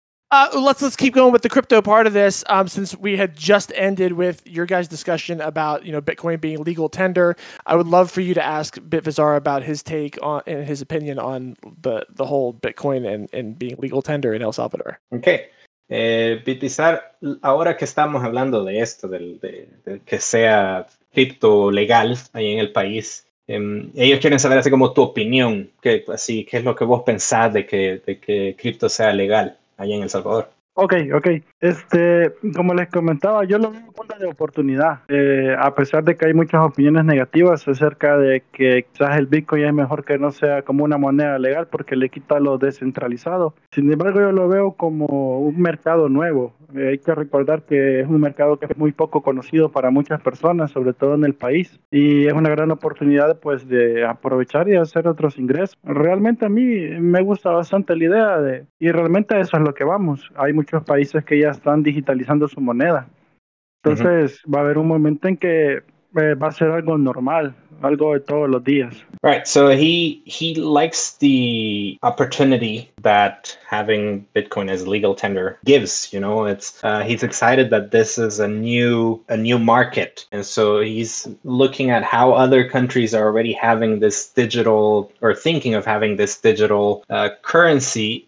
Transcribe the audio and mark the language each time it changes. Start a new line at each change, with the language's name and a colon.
English: Let's keep going with the crypto part of this. Since we had just ended with your guys' discussion about, you know, Bitcoin being legal tender, I would love for you to ask Bitvizar about his take on and his opinion on the whole Bitcoin and being legal tender in El Salvador. Okay.
Spanish: Bitvizar, ahora que estamos hablando de esto, de que sea cripto legal ahí en el país, Ellos quieren saber así como tu opinión, que así qué es lo que vos pensás de que cripto sea legal allá en El Salvador.
English: Okay.
Spanish: Como les comentaba, yo lo veo como una oportunidad. A pesar de que hay muchas opiniones negativas acerca de que quizás el Bitcoin es mejor que no sea como una moneda legal porque le quita lo descentralizado. Sin embargo, yo lo veo como un mercado nuevo. Hay que recordar que es un mercado que es muy poco conocido para muchas personas, sobre todo en el país. Y es una gran oportunidad, pues, de aprovechar y hacer otros ingresos. Realmente a mí me gusta bastante la idea de... Y realmente eso es lo que vamos. Hay muchos países que ya están digitalizando su moneda. Entonces, uh-huh, va a haber un momento en que va a ser algo normal, algo de todos los días.
English: Right, so he likes the opportunity that having Bitcoin as a legal tender gives, you know. It's he's excited that this is a new market. And so he's looking at how other countries are already having this digital, or thinking of having this digital currency.